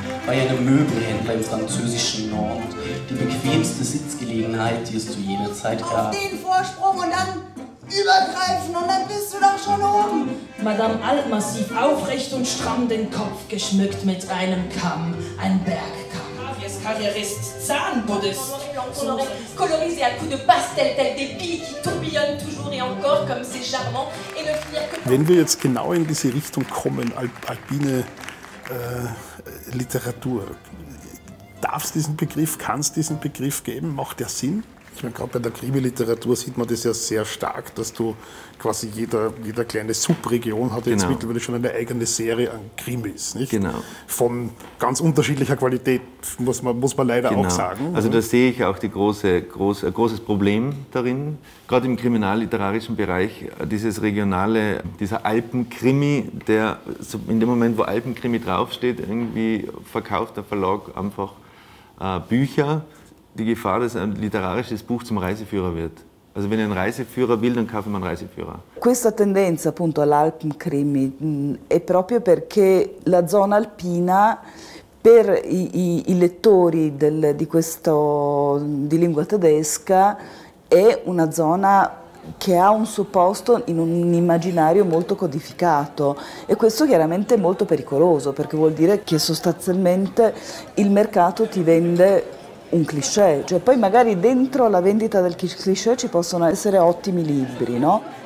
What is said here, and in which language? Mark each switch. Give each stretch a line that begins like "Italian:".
German: Bei einem Möbelhändler im französischen Nord, die bequemste Sitzgelegenheit, die es zu jeder Zeit gab. Auf den Vorsprung und dann übergreifen und dann bist du doch schon oben. Madame Altmassiv aufrecht und stramm den Kopf geschmückt mit einem Kamm, ein Bergkamm. Fabius Carrierist, Zahnbuddhist.
French: Colorisé à coups de pastel, tel des billes qui tourbillonnent toujours et encore comme c'est charmant.
German: Wenn wir jetzt genau in diese Richtung kommen, alpine Literatur, darfst du diesen Begriff, kannst du diesen Begriff geben, macht der Sinn? Ich meine, gerade bei der Krimi-Literatur sieht man das ja sehr stark, dass du quasi jede kleine Subregion hat jetzt mittlerweile schon eine eigene Serie an Krimis. Nicht? Genau. Von ganz unterschiedlicher Qualität, muss man leider auch sagen. Also da sehe ich auch ein großes Problem darin, gerade im kriminalliterarischen Bereich, dieses regionale, dieser Alpenkrimi, der in dem Moment, wo Alpenkrimi draufsteht, irgendwie verkauft der Verlag einfach Bücher. Die Gefahr, dass ein literarisches Buch zum Reiseführer wird. Also wenn ein Reiseführer will, dann kaufe man einen Reiseführer.
Italian: Questa tendenza appunto all'Alpenkrimi è proprio perché la zona alpina per i lettori di lingua tedesca è una zona che ha un suo posto in un immaginario molto codificato e questo chiaramente è molto pericoloso perché vuol dire che sostanzialmente il mercato ti vende un cliché, cioè poi magari dentro la vendita del cliché ci possono essere ottimi libri, no?